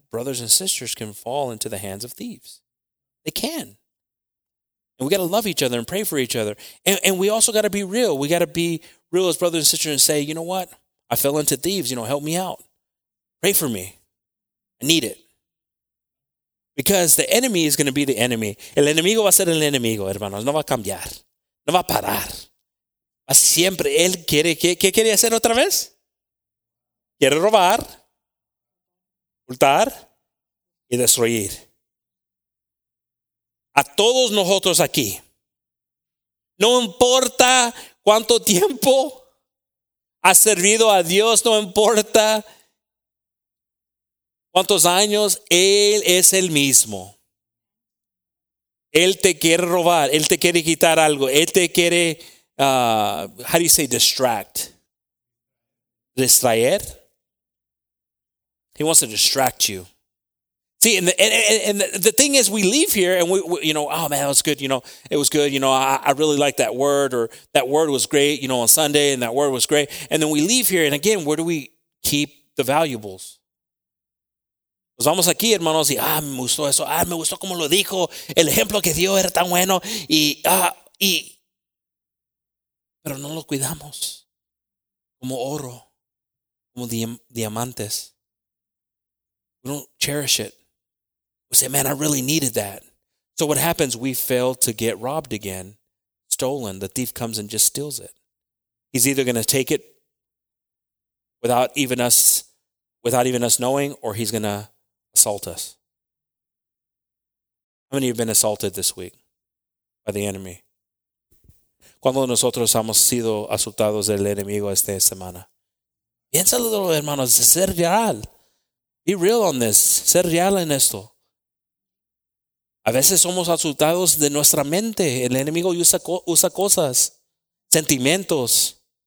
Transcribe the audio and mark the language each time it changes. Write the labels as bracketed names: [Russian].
[English] brothers and sisters can fall into the hands of thieves. They can. And we got to love each other and pray for each other. And we also got to be real. We got to be real as brothers and sisters and say, you know what? I fell into thieves. You know, help me out. Pray for me. I need it. Because the enemy is going to be the enemy. [Spanish] El enemigo va a ser el enemigo, hermanos. No va a cambiar. No va a parar. Va siempre. Él quiere. ¿Qué quiere hacer otra vez? Quiere robar, hurtar y destruir. A todos nosotros aquí. No importa cuánto tiempo has servido a Dios, no importa cuántos años, Él es el mismo. Él te quiere robar, Él te quiere quitar algo, Él te quiere, [English] distract. [Spanish] Distraer. [English] He wants to distract you. See, and the thing is, we leave here and we you know, oh man, that was good. You know, it was good. You know, I really liked that word, or that word was great, you know, on Sunday, and that word was great. And then we leave here, and again, where do we keep the valuables? [Spanish] Pues vamos aquí, hermanos, y me gustó eso. Me gustó como lo dijo. El ejemplo que dio era tan bueno. Pero no lo cuidamos como oro, como diamantes. [English] We don't cherish it. We say, man, I really needed that. So what happens? We fail to get robbed again, stolen. The thief comes and just steals it. He's either going to take it without even us knowing, or he's going to assault us. How many have been assaulted this week by the enemy? [Spanish] ¿Cuándo nosotros hemos sido asaltados del enemigo esta semana? Piénsalo, hermanos, es real. [English] Be real on this. [Spanish] Ser real en esto. A veces somos asustados de nuestra mente. El enemigo usa cosas, sentimientos.